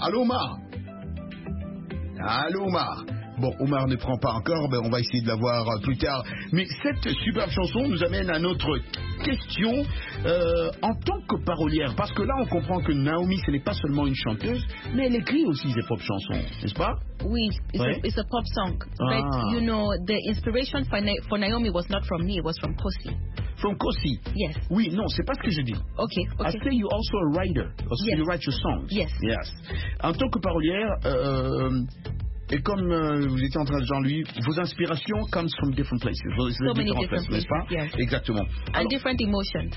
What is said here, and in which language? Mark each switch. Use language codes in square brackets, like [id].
[fr] Allô, Omar? Bon, Omar ne prend pas encore, mais on va essayer de l'avoir plus tard. Mais cette superbe chanson nous amène à notre question en tant que parolière. Parce que là, on comprend que Naomi, ce n'est pas seulement une chanteuse, mais elle écrit aussi ses propres chansons, n'est-ce pas? [en] Oui, it's a pop song. Ah. But, you know, the inspiration for Naomi was not from me, it was from Kossi. From Kossi? Yes. [fr] Oui, non, c'est pas ce que je dis. Okay. [en] I say you're also a writer. Yes. You write your songs. Yes. [fr] Yes. En tant que parolière... Et comme vous étiez en train de dire lui, vos inspirations [en] comes from different places. So many different places, [fr] n'est-ce pas? [en] Yes. [fr] Exactement. [en] Alors, and different emotions.